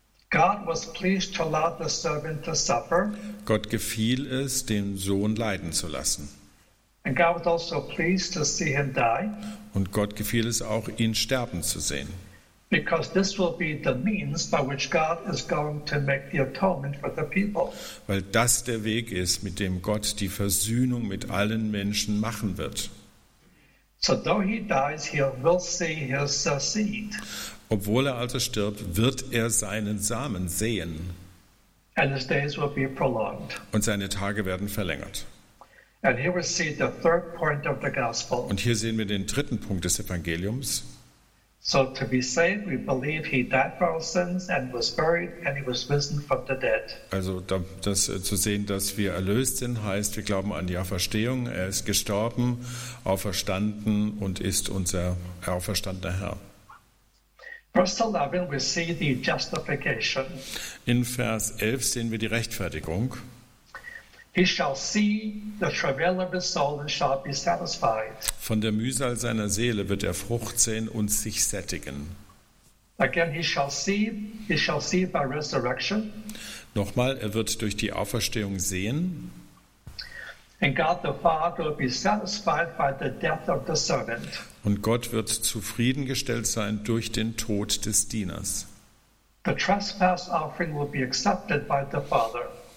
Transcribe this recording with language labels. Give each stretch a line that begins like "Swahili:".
English: God was pleased to allow the servant to suffer.
German: Gott gefiel es, den Sohn leiden zu lassen.
English: And God was also pleased to see him die.
German: Und Gott gefiel es auch, ihn sterben zu sehen.
English: Because this will be the means by which God is going to make the atonement for the people.
German: Weil das der Weg ist, mit dem Gott die Versöhnung mit allen Menschen machen wird.
English: So though he dies, he will see his seed.
German: Obwohl er also stirbt, wird er seinen Samen sehen.
English: And his days will be prolonged.
German: Und seine Tage werden verlängert.
English: And here we see the third point of the gospel.
German: Und hier sehen wir den dritten Punkt des Evangeliums.
English: So to be saved, we believe he died for our sins and was buried and he was risen from the dead.
German: Also das zu sehen, dass wir erlöst sind, heißt, wir glauben an die Auferstehung. Er ist gestorben, auferstanden und ist unser auferstandener Herr.
English: Verse 11, we see the justification.
German: In Vers 11 sehen wir die Rechtfertigung.
English: He shall see the travail of his soul and shall be satisfied.
German: Von der Mühsal seiner Seele wird er Frucht sehen und sich sättigen.
English: Again, he shall see by resurrection.
German: Nochmal, er wird durch die Auferstehung sehen.
English: And God the Father will be satisfied by the death of the servant.
German: Und Gott wird zufriedengestellt sein durch den Tod des Dieners.
English: The trespass offering will be accepted by the Father.